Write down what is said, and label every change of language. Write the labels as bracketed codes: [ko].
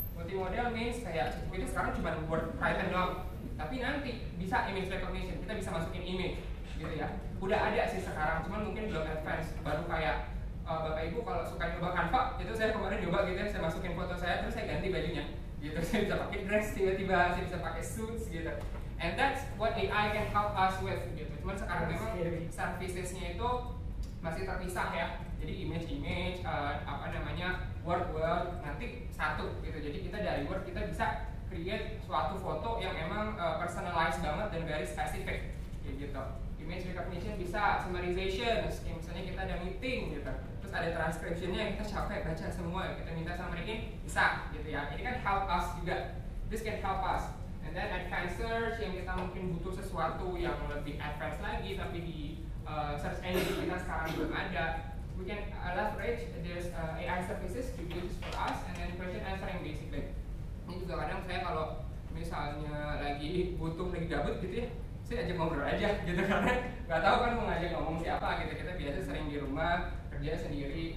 [id] Multimodal means kayak kita sekarang cuma word Python doang, tapi nanti bisa image recognition, kita bisa masukin image gitu ya. Udah ada sih sekarang, cuman mungkin belum advance. Baru kayak Bapak Ibu kalau suka nyoba Canva, itu saya kemarin nyoba gitu ya, saya masukin foto saya terus saya ganti bajunya gitu. Saya bisa pakai dress tiba-tiba, saya bisa pakai suits gitu. [en] And that's what AI can help us with gitu. [id] Cuman sekarang memang services-nya itu masih terpisah ya. Jadi image-image, apa namanya, word-word, nanti satu gitu. Jadi kita dari word kita bisa create suatu foto yang emang personalized banget dan [en] very specific [id] gitu. Image recognition bisa, summarization, misalnya kita ada meeting gitu. Terus ada transcription-nya, kita capek baca semua, kita minta summary-in, bisa gitu ya. Ini kan help us juga, [en] this can help us. And then advanced search, [id] yang kita mungkin butuh sesuatu yang lebih advanced lagi, tapi di search engine kita sekarang belum ada. [en] We can leverage this AI services to use for us, and then question answering basically. [id] Ini juga kadang saya kalau misalnya lagi butuh, lagi gabut gitu ya, saya ajak ngobrol aja gitu, karena nggak tahu kan mau ngajak ngomong siapa gitu. Kita biasa sering di rumah kerja sendiri.